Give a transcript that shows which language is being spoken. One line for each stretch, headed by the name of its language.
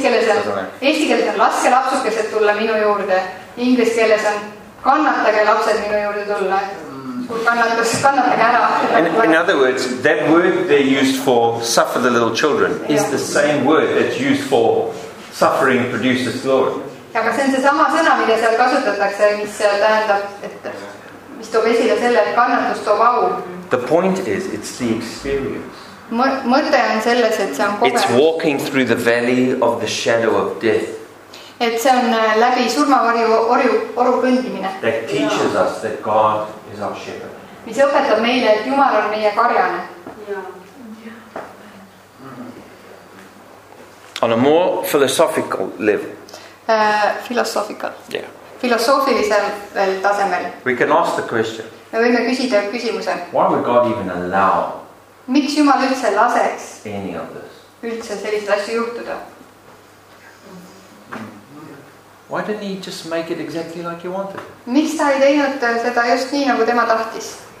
Estonian: Eesti keeles on laske lapsukesed tulla minu juurde, inglise keeles on kannatage lapsed minu juurde tulla.
English: In other words, that word they're used for suffer the little children is the same word that's used for suffering produces glory.
Estonian: Aga see on see sama sõna, mida seal kasutatakse, mis tähendab, et mis toob esile selle, et kannatus toob au.
English: The point is, it's the experience.
Estonian: Mõte on selles, et see on kogemus.
English: It's walking through the valley of the shadow of death.
Estonian: Et see on läbi surmavarju kõndimine.
English: That teaches us that God is our shepherd.
Estonian: Mis õpetab meile, et Jumal on meie karjane.
English: On a more philosophical level. Philosophical. Yeah.
Estonian: Filosoofilisel tasemel.
English: We can ask the question.
Estonian: Me võime küsida küsimuse.
English: Why would God even allow?
Estonian: Miks Jumal üldse laseks?
English: Any of this.
Estonian: Üldse sellist asju juhtuda.
English: Why didn't he just make it exactly like he wanted?
Estonian: Miks ta ei teinud seda just nii nagu tema tahtis?